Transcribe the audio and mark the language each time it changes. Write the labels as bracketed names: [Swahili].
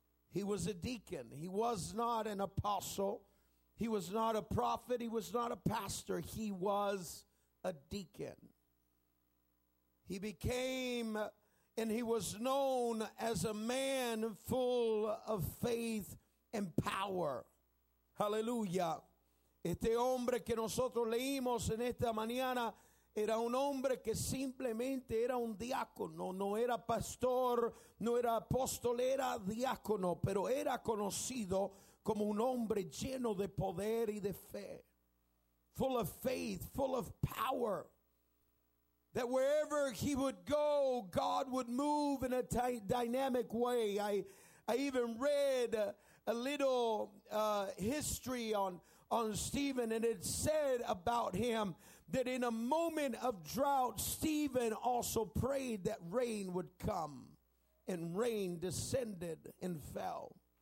[English] He was a deacon. He was not an apostle. He was not a prophet. He was not a pastor. He was a deacon. He became and he was known as a man full of faith and power. Hallelujah. [Spanish] Este hombre que nosotros leímos en esta mañana era un hombre que simplemente era un diácono, no era pastor, no era apóstol, era diácono, pero era conocido como un hombre lleno de poder y de fe. [English] Full of faith, full of power. That wherever he would go, God would move in a dynamic way. I even read a little history on Stephen, and it said about him that in a moment of drought, Stephen also prayed that rain would come, and rain descended and fell.